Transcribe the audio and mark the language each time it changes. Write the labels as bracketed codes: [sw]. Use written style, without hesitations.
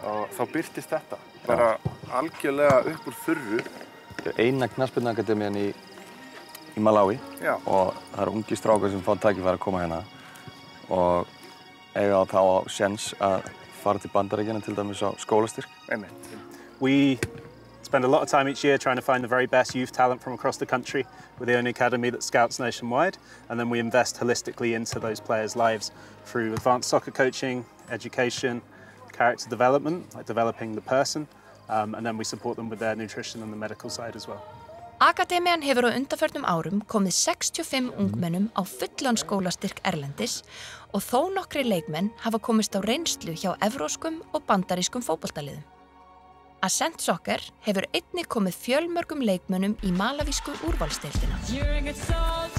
[is] Og þá birtist þetta, bara Já. Algjörlega upp úr þurru. Þetta eina knattspyrnuakademían í Malawi. Já. Og það ungi strákar sem fá tækifæri að koma hérna. Og eiga að þá sjens að fara til Bandaríkjanna til dæmis á skólastyrk. Einmitt. [en] We spend a lot of time each year trying to find the very best youth talent from across the country. We're the only academy that scouts nationwide. And then we invest holistically into those players' lives through advanced soccer coaching, education, character development, like developing the person. And then we support them with their nutrition and the medical side as well. [is] Akademían hefur á undanförnum árum komið 65 ungmennum á fullan skólastyrk erlendis og þó nokkrir leikmenn hafa komist á reynslu hjá evróskum og bandarískum fótboltaliðum. Ascent Soccer hefur einnig komið fjölmörgum leikmönnum í malavísku úrvalsdeildina.